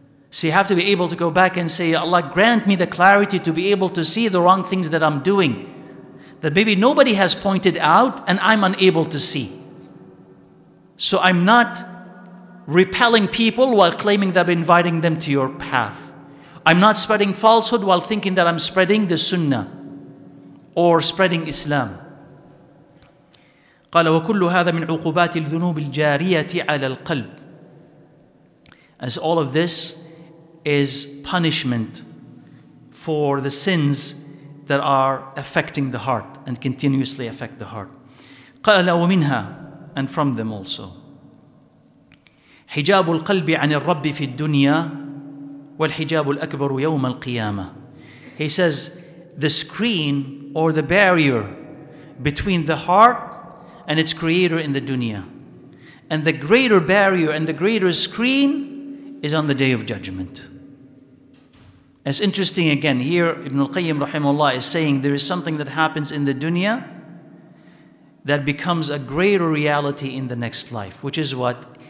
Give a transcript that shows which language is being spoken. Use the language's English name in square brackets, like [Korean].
[English] So you have to be able to go back and say, Allah, grant me the clarity to be able to see the wrong things that I'm doing, that maybe nobody has pointed out and I'm unable to see. So I'm not repelling people while claiming that I'm inviting them to your path. I'm not spreading falsehood while thinking that I'm spreading the sunnah or spreading Islam. [Arabic] قال وكل هذا من عقوبات الذنوب الجارية على القلب. [English] As all of this is punishment for the sins that are affecting the heart and continuously affect the heart. [Arabic] قال ومنها, [English] and from them also. [Arabic] حجاب القلب عن الرب في الدنيا والحجاب الأكبر يوم القيامة. [English] He says the screen or the barrier between the heart and its creator in the dunya. And the greater barrier and the greater screen is on the Day of Judgment. It's interesting again, here Ibn al-Qayyim rahimahullah is saying there is something that happens in the dunya that becomes a greater reality in the next life, which is what?